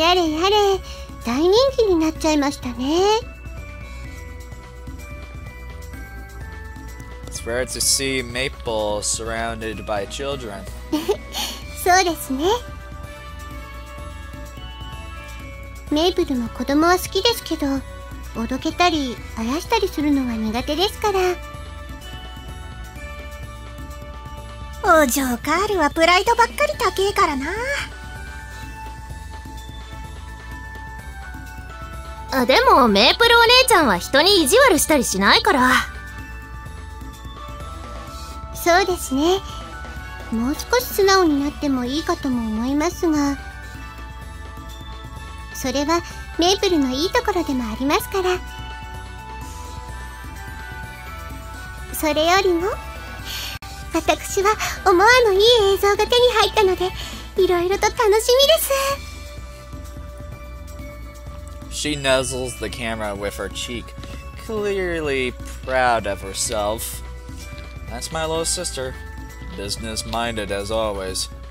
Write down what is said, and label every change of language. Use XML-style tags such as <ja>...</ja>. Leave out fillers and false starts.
<ja>やれやれ、大人気になっちゃいましたね。</ja> <en>It's rare to see Maple surrounded by children.</en> <ja>そうですね。メイプルも子供は好きですけど、おどけたりあやしたりするのは苦手ですから。お嬢カールはプライドばっかり高えからな。あ、でもメープルお姉ちゃんは人に意地悪したりしないから。そうですね、もう少し素直になってもいいかとも思いますが、それはメイプルのいいところでもありますから。それよりも、私は思わぬいい映像が手に入ったので、いろいろと楽しみです。</ja> <en>She nuzzles the camera with her cheek, clearly proud of herself. That's my little sister, business-minded as always.</en>